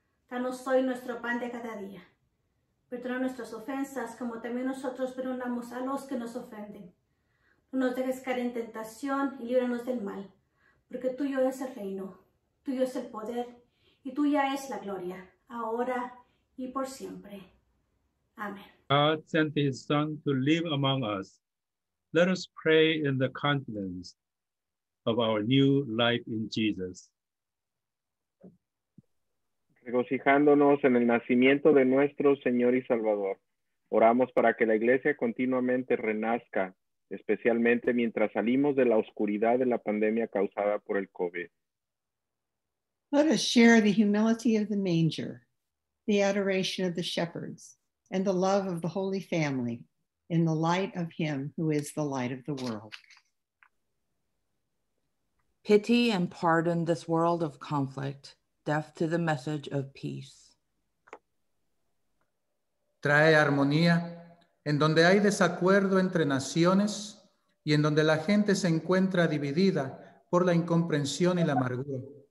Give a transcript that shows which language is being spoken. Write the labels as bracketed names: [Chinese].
[Spanish] Danos hoy nuestro pan de cada día. Perdona nuestras ofensas como también nosotros perdonamos a los que nos ofenden. No nos dejes caer en tentación y líbranos del mal, porque tuyo es el reino, tuyo es el poder y tuya es la gloria, ahora y por siempre. Amén. [English] God sent his Son to live among us. Let us pray in the confidence of our new life in Jesus. [Spanish] Regocijándonos en el nacimiento de nuestro Señor y Salvador, oramos para que la Iglesia continuamente renazca, especialmente mientras salimos de la oscuridad de la pandemia causada por el COVID. [English] Let us share the humility of the manger, the adoration of the shepherds, and the love of the Holy Family in the light of Him who is the light of the world. Pity and pardon this world of conflict, deaf to the message of peace. [Spanish] Trae armonía en donde hay desacuerdo entre naciones y en donde la gente se encuentra dividida por la incomprensión y la amargura.